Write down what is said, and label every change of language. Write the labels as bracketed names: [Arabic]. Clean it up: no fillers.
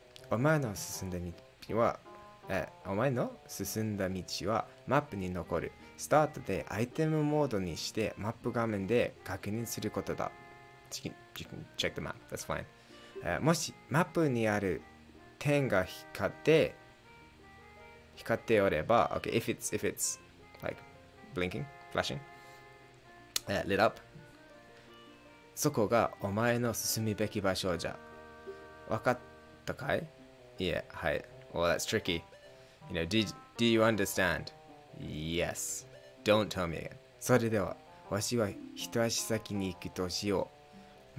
[Japanese] お前の進んでみはお前の進んだ道はマップに残る。スタートでアイテムモードにしてマップ画面で確認することだ。 [English] You can check the map. That's fine. [Japanese] もしマップにある点が光っておれば、 [English] okay, if it's like blinking, flashing, lit up, [Japanese] そこがお前の進むべき場所じゃ。わかったかい？いや、はい。 [English] Well, that's tricky. You know, do you understand? Yes. Don't tell me again. [Japanese] それでは、わしは一足先に行くとしよう。